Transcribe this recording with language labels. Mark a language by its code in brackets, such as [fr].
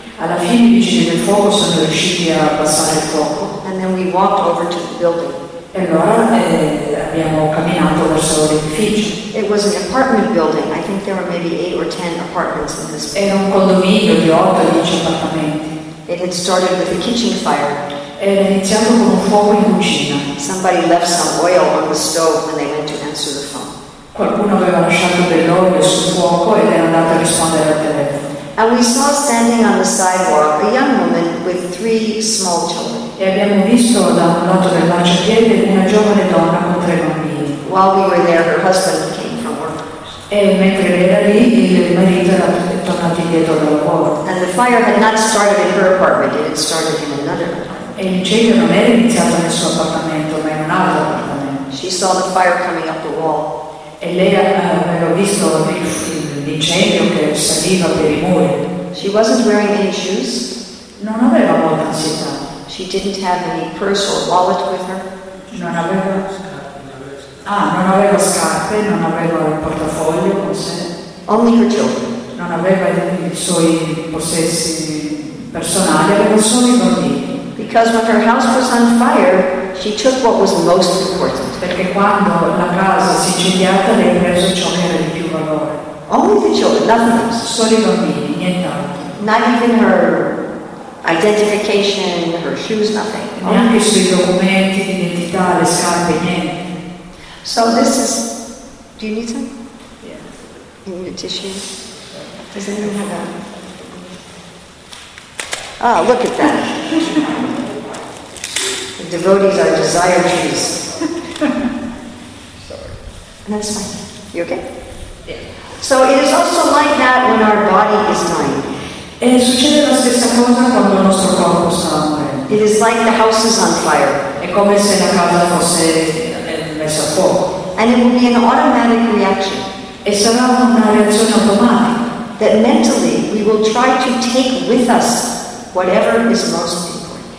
[it] Alla fine i vigili del fuoco sono riusciti a abbassare il fuoco. [en] And then we walked over to the building. [it] E allora abbiamo camminato verso l'edificio. [en] It was an apartment building. I think there were maybe 8 or 10 apartments in this building. [it] Era un condominio di 8 o 10 appartamenti. [en] It had started with a kitchen fire. [it] Era iniziato con un fuoco in cucina. [en] Somebody left some oil on the stove when they went to answer the phone. [it] Qualcuno aveva lasciato dell'olio sul fuoco ed era andato a rispondere al telefono. [en] And we saw standing on the sidewalk a young woman with 3 small children. [it] E abbiamo visto da un lato del marciapiede una giovane donna con 3 bambini. [en] While we were there, her husband came from work. [it] E mentre era lì, il marito era tornato indietro dal lavoro. [en] And the fire had not started in her apartment, it had started in another apartment. [it] E l'incendio non era iniziato nel suo appartamento, ma in un altro appartamento. [en] She saw the fire coming up the wall. [it] E lei aveva visto l'incendio che saliva per i muri. [en] She wasn't wearing any shoes. [it] Non aveva molta ansietà. [en] She didn't have any purse or wallet with her. [it] Non aveva scarpe. Ah, non aveva scarpe, non aveva il portafoglio con sé. [en] Only her children. [it] Non aveva i suoi possessi personali, aveva solo i bambini. [en] Because when her house was on fire, she took what was most important. [it] Perché quando la casa si incendiata, lei ha preso ciò che era di più valore. [en] Only the children, nothing else. [it] Solo i bambini, nient'altro. [en] Not even her identification, her shoes, nothing. [it] Neanche i suoi documenti, identità, le scarpe, niente. [en] So this is... Do you need some? Yeah. You need a tissue? Does anyone have that? Ah, look at that. The devotees are desire trees. Sorry. That's fine. You okay? Yeah. So it is also like that when our body is dying. [it] E succede la stessa cosa quando il nostro corpo sta morendo. [en] It is like the house is on fire. [it] È come se la casa fosse messa a fuoco. [en] And it will be an automatic reaction. [it] E sarà una reazione automatica. [en] That mentally we will try to take with us whatever is most important.